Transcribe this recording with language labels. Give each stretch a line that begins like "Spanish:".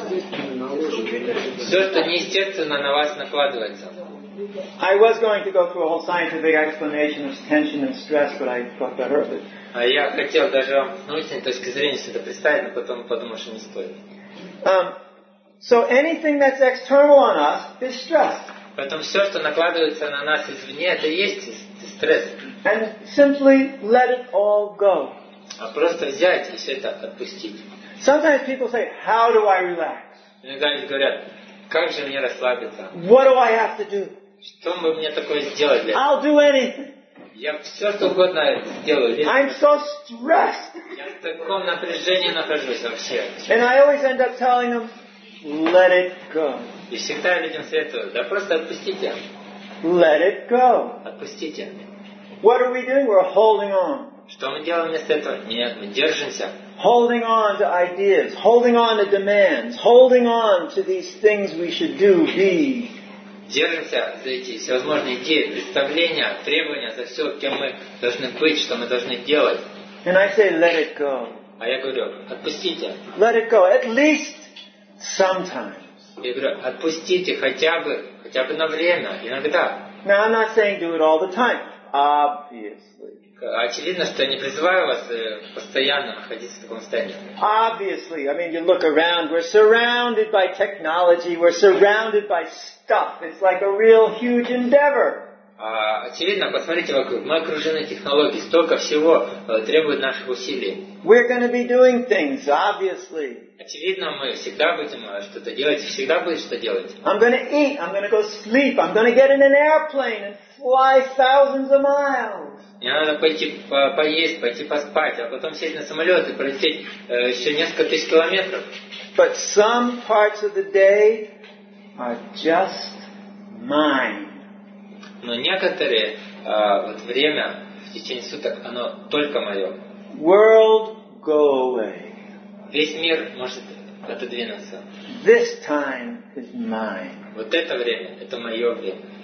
Russian: Все, что неестественно на вас накладывается.
English: I was going to go through a whole scientific explanation of tension and stress, but I thought better of it.
Russian: А я хотел даже вам с научной точки зрения все это представить, но потом подумал, что не стоит.
English: So anything that's external on us is stress.
Russian: Потом все, что накладывается на нас извне, это есть стресс.
English: And simply let it all go.
Russian: А просто взять и все это отпустить.
English: Sometimes people say, "How do I relax?"
Russian: Иногда люди говорят, как же мне расслабиться?
English: What do I have to do?
Russian: Что бы мне такое сделать для?
English: I'll do anything.
Russian: Я все что угодно сделаю.
English: I'm so stressed.
Russian: Я в таком напряжении нахожусь вообще.
English: And I always end up telling them, "Let it go."
Russian: И всегда людям советую, да просто отпустите.
English: Let it go.
Russian: Отпустите.
English: What are we doing? We're holding on.
Russian: Что мы делаем вместо этого? Нет, мы держимся.
English: Holding on to ideas, holding on to demands, holding on to these things we should do, be.
Russian: Держимся за эти всевозможные идеи, представления, требования за все, кем мы должны быть, что мы должны делать.
English: And I say, let it go.
Russian: А я говорю, отпустите.
English: Let it go, at least sometimes.
Russian: Я говорю, отпустите хотя бы на время, иногда.
English: Now I'm not saying do it all the time, obviously.
Russian: Очевидно, что я не призываю вас постоянно находиться в таком состоянии.
English: Obviously, I mean, you look around, we're surrounded by technology, we're surrounded by stuff. It's like a real huge endeavor.
Russian: Очевидно, посмотрите вокруг, мы окружены технологией, столько всего требует наших усилий.
English: We're going to be doing things, obviously.
Russian: Очевидно, мы всегда будем что-то делать, всегда будет что делать.
English: I'm going to eat, I'm going to go sleep, I'm going to get in an airplane and fly thousands of miles.
Russian: Мне надо пойти поесть, пойти поспать, а потом сесть на самолет и пролететь еще несколько тысяч километров.
English: But some parts of the day are just mine.
Russian: Но некоторые вот время в течение суток, оно только мое.
English: World, go away.
Russian: Весь мир может отодвинуться.
English: This time is mine.
Russian: Вот это время, это мое время.